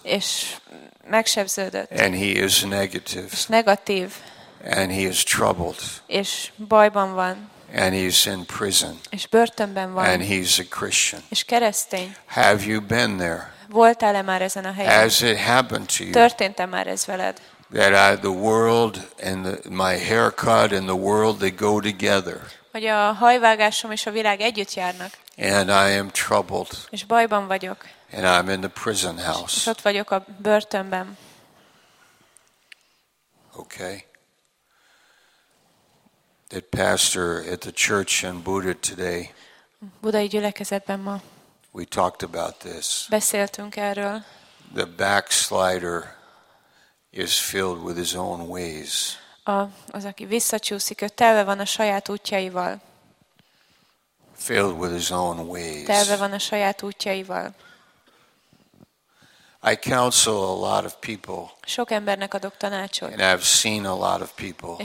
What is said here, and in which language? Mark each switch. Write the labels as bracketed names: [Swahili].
[Hungarian] és megsebződött, [English] and he is negative, [Hungarian] és negatív, [English] and he is troubled, [Hungarian] és bajban van, [English] and he's in prison, [Hungarian] és börtönben van, [English] and he's a Christian, [Hungarian] és keresztény. [English] Have you been there? [Hungarian] Voltál-e már ezen a helyen? [English] Has it happened to you? [Hungarian] Történt-e már ez veled? [English] That I, the world and my haircut and the world, they go together. [Hungarian] Hogy a hajvágásom és a világ együtt járnak. [English] And I am troubled. [Hungarian] És bajban vagyok. [English] And I'm in the prison house. [Hungarian] És ott vagyok a börtönben. [English] Okay. That pastor at the church in Buda today. [Hungarian] Budai gyülekezetben ma. [English] We talked about this. [Hungarian] Beszéltünk erről. [English] The backslider is filled with his own ways. [Hungarian] Az aki visszacsúszik, ő telve van a saját útjaival. [English] Filled with his own ways. [Hungarian] Telve van a saját útjaival. [English] I counsel a lot of people. [Hungarian] Sok embernek adok tanácsot. [English] And I've seen a lot of people.